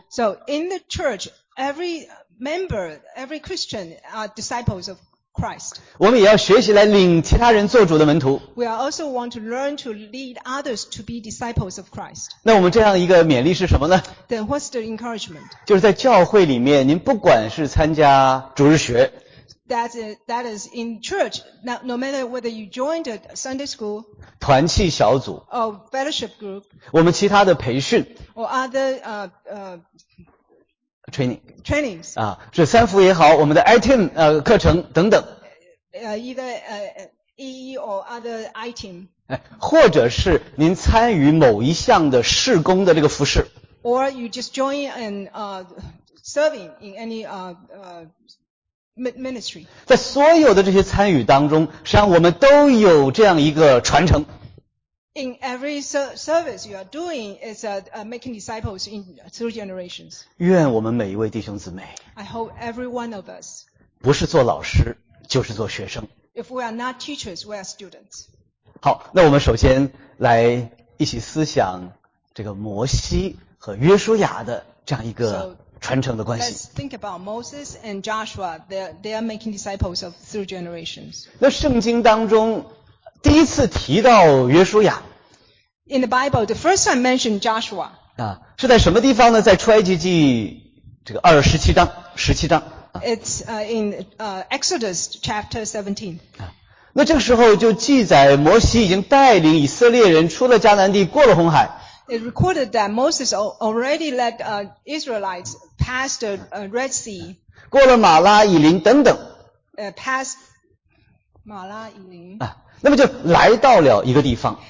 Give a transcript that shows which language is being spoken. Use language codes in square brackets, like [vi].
[en] So, in the church, every member, every Christian are disciples of Christ. [zh] 我们也要学习来领其他人做主的门徒。 [en] We also want to learn to lead others to be disciples of Christ. [zh] 那我们这样一个勉励是什么呢？ [en] Then what's the encouragement? [zh] 就是在教会里面，您不管是参加主日学。 [en] That is in church, no matter whether you joined a Sunday school, [zh] 团契小组 [en] or fellowship group, [zh] 我们其他的培训 [en] or other, trainings, [zh] 啊，是三福也好，我们的 iTeam, 课程等等 [en] either, EE or other iTeam, [zh] 或者是您参与某一项的事工的这个服事 [en] or you just join and, serving in any, ministry. [zh] 在所有的这些参与当中，实际上我们都有这样一个传承。 [en] In every service you are doing is making disciples in through generations. [zh] 愿我们每一位弟兄姊妹 [en] I hope every one of us [zh] 不是做老师就是做学生。 [en] If we are not teachers, we are students. [zh] 好，那我们首先来一起思想这个摩西和约书亚的这样一个传承的关系。 [en] Let's think about Moses and Joshua. They are making disciples of through generations. [zh] 那圣经当中第一次提到约书亚。 [en] In the Bible, the first time mentioned Joshua. [zh] 啊，是在什么地方呢？在出埃及记这个二十七章，十七章。 [en] It's in Exodus chapter 17. [zh] 啊，那这个时候就记载摩西已经带领以色列人出了迦南地，过了红海。 [en] It recorded that Moses already led Israelites past the Red Sea. [zh] 过了马拉以林等等。 [en] Past 马拉以林。 [zh] 啊，那么就来到了一个地方。